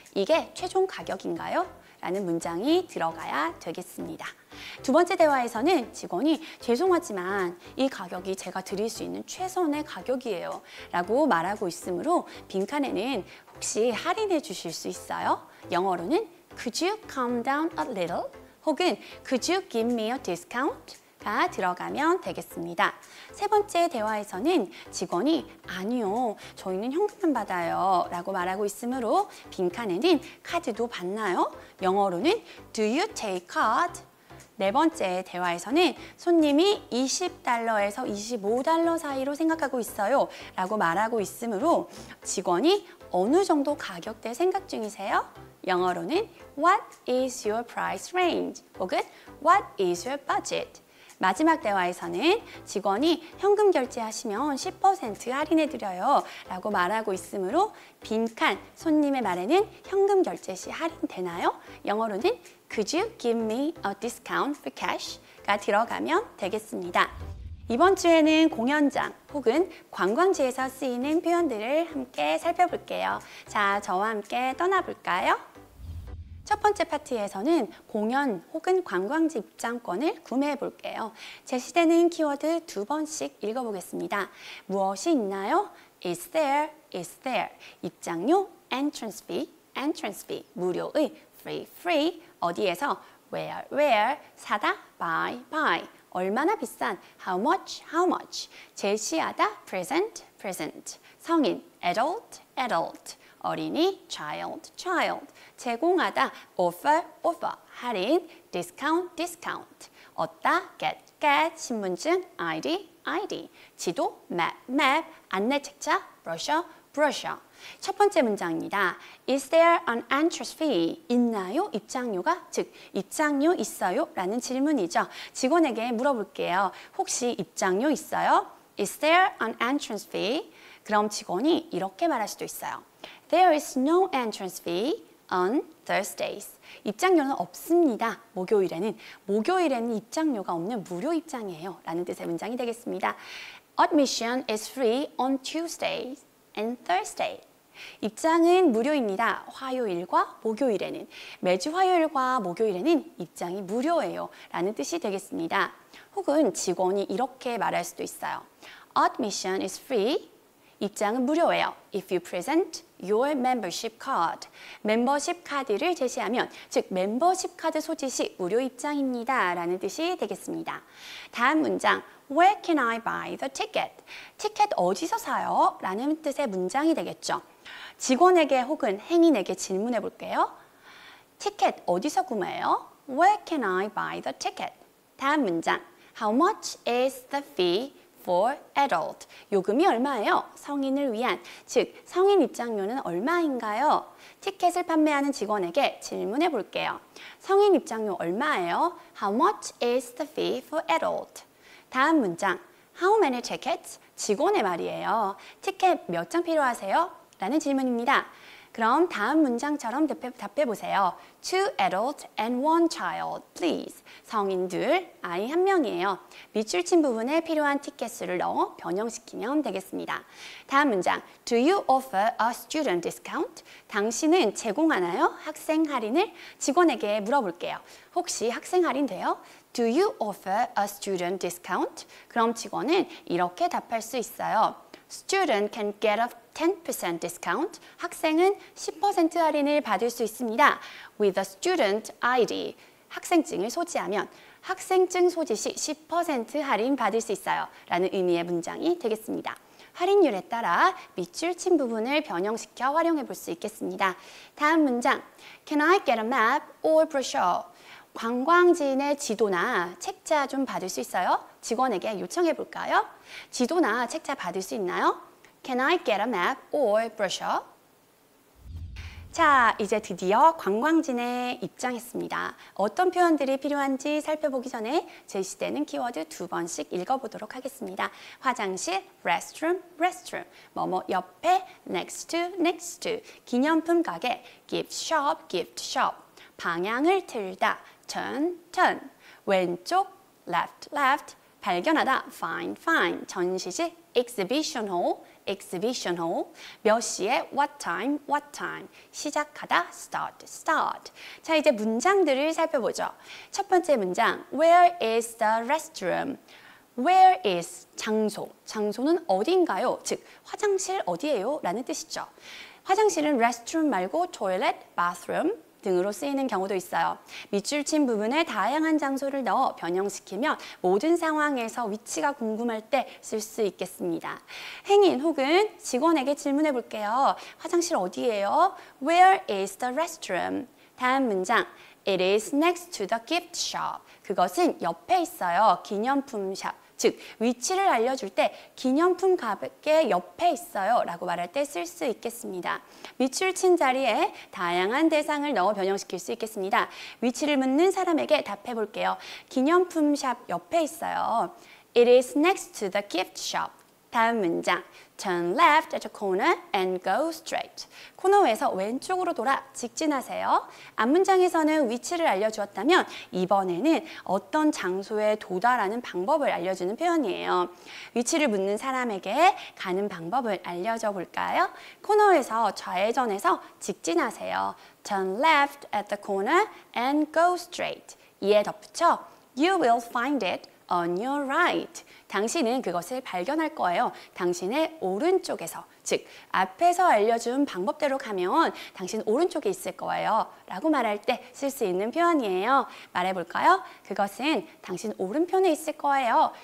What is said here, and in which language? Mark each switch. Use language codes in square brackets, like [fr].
[ko] 이게 최종 가격인가요? 라는 문장이 들어가야 되겠습니다. 두 번째 대화에서는 직원이 죄송하지만 이 가격이 제가 드릴 수 있는 최선의 가격이에요 라고 말하고 있으므로 빈칸에는 혹시 할인해 주실 수 있어요? 영어로는 [en] Could you calm down a little? 혹은 Could you give me a discount? [ko] 가 들어가면 되겠습니다. 세 번째 대화에서는 직원이 아니요, 저희는 현금만 받아요 라고 말하고 있으므로 빈칸에는 카드도 받나요? 영어로는 [en] Do you take card? [ko] 네 번째 대화에서는 손님이 $20에서 $25 사이로 생각하고 있어요 라고 말하고 있으므로 직원이 어느 정도 가격대 생각 중이세요? 영어로는 [en] What is your price range? 혹은 What is your budget? [ko] 마지막 대화에서는 직원이 현금 결제하시면 10% 할인해 드려요 라고 말하고 있으므로 빈칸 손님의 말에는 현금 결제 시 할인되나요? 영어로는 [en] Could you give me a discount for cash? [ko] 가 들어가면 되겠습니다. 이번 주에는 공연장 혹은 관광지에서 쓰이는 표현들을 함께 살펴볼게요. 자, 저와 함께 떠나볼까요? 첫 번째 파트에서는 공연 혹은 관광지 입장권을 구매해 볼게요. 제시되는 키워드 두 번씩 읽어보겠습니다. 무엇이 있나요? [en] Is there, is there. 입장료, entrance fee, entrance fee. 무료의, free, free. 어디에서, where, where. 사다, buy, buy. [ko] 얼마나 비싼, [en] how much, how much. 제시하다, present, present. 성인, adult, adult. 어린이, child, child. 제공하다, offer, offer. 할인, discount, discount. 얻다, get, get. 신분증, ID, ID. 지도, map, map. 안내책자, brochure, brochure. [ko] 첫 번째 문장입니다. [en] Is there an entrance fee? [ko] 있나요? 입장료가? 즉, 입장료 있어요? 라는 질문이죠. 직원에게 물어볼게요. 혹시 입장료 있어요? Is there an entrance fee? 그럼 직원이 이렇게 말할 수도 있어요. [en] There is no entrance fee on Thursdays. [ko] 입장료는 없습니다. 목요일에는. 목요일에는 입장료가 없는 무료 입장이에요. 라는 뜻의 문장이 되겠습니다. [en] Admission is free on Tuesdays and Thursdays. [ko] 입장은 무료입니다. 화요일과 목요일에는. 매주 화요일과 목요일에는 입장이 무료예요. 라는 뜻이 되겠습니다. 혹은 직원이 이렇게 말할 수도 있어요. [en] Admission is free. [ko] 입장은 무료예요. [en] If you present your membership card. [ko] 멤버십 카드를 제시하면, 즉 멤버십 카드 소지 시 무료 입장입니다. 라는 뜻이 되겠습니다. 다음 문장, [en] Where can I buy the ticket? [ko] 티켓 어디서 사요? 라는 뜻의 문장이 되겠죠. 직원에게 혹은 행인에게 질문해 볼게요. 티켓 어디서 구매해요? [en] Where can I buy the ticket? [ko] 다음 문장, [en] How much is the fee? For adult. [ko] 요금이 얼마예요? 성인을 위한. 즉, 성인 입장료는 얼마인가요? 티켓을 판매하는 직원에게 질문해 볼게요. 성인 입장료 얼마예요? [en] How much is the fee for adult? [ko] 다음 문장. [en] How many tickets? [ko] 직원의 말이에요. 티켓 몇 장 필요하세요? 라는 질문입니다. 그럼 다음 문장처럼 답해 보세요. [en] Two adults and one child, please. [ko] 성인 둘, 아이 한 명이에요. 밑줄 친 부분에 필요한 티켓 수를 넣어 변형시키면 되겠습니다. 다음 문장. [en] Do you offer a student discount? [ko] 당신은 제공하나요? 학생 할인을 직원에게 물어볼게요. 혹시 학생 할인 돼요? [en] Do you offer a student discount? [ko] 그럼 직원은 이렇게 답할 수 있어요. [en] Student can get a 10% discount. [ko] 학생은 10% 할인을 받을 수 있습니다. [en] With a student ID. [ko] 학생증을 소지하면 학생증 소지 시 10% 할인 받을 수 있어요. 라는 의미의 문장이 되겠습니다. 할인율에 따라 밑줄 친 부분을 변형시켜 활용해 볼 수 있겠습니다. 다음 문장. [en] Can I get a map or brochure? [ko] 관광지인의 지도나 책자 좀 받을 수 있어요? 직원에게 요청해 볼까요? 지도나 책자 받을 수 있나요? [en] Can I get a map or brochure? [ko] 자, 이제 드디어 관광진에 입장했습니다. 어떤 표현들이 필요한지 살펴보기 전에 제시되는 키워드 두 번씩 읽어보도록 하겠습니다. [en] 화장실, restroom, restroom, 뭐뭐 옆에, next to, next to, [ko] 기념품 가게, [en] gift shop, gift shop, [ko] 방향을 틀다, [en] turn, turn, 왼쪽, left, left, 발견하다, find, find, 전시실, exhibition hall, exhibition hall, 몇 시에, what time, what time, 시작하다, start, start. [ko] 자, 이제 문장들을 살펴보죠. 첫 번째 문장, [en] where is the restroom? Where is [ko] 장소? 장소는 어디인가요? 즉, 화장실 어디예요? 라는 뜻이죠. 화장실은 restroom 말고 toilet, bathroom, 등으로 쓰이는 경우도 있어요. 밑줄 친 부분에 다양한 장소를 넣어 변형시키면 모든 상황에서 위치가 궁금할 때 쓸 수 있겠습니다. 행인 혹은 직원에게 질문해 볼게요. 화장실 어디예요? [en] Where is the restroom? [ko] 다음 문장. [en] It is next to the gift shop. [ko] 그것은 옆에 있어요. 기념품 샵. 즉, 위치를 알려줄 때 기념품 가게 옆에 있어요 라고 말할 때 쓸 수 있겠습니다. 밑줄 친 자리에 다양한 대상을 넣어 변형시킬 수 있겠습니다. 위치를 묻는 사람에게 답해 볼게요. 기념품 샵 옆에 있어요. [en] It is next to the gift shop. [ko] 다음 문장. [en] Turn left at the corner and go straight. [ko] 코너에서 왼쪽으로 돌아 직진하세요. 앞 문장에서는 위치를 알려주었다면 이번에는 어떤 장소에 도달하는 방법을 알려주는 표현이에요. 위치를 묻는 사람에게 가는 방법을 알려줘 볼까요? 코너에서 좌회전해서 직진하세요. [en] Turn left at the corner and go straight. [ko] 이에 덧붙여 [en] You will find it. On your right. [ko] 당신은 그것을 발견할 거예요. 당신의 오른쪽에서, 즉 앞에서 알려준 방법대로 가면 당신 오른쪽에 있을 거예요. 라고 말할 때 쓸 수 있는 표현이에요. 말해볼까요? 그것은 당신 오른편에 있을 거예요.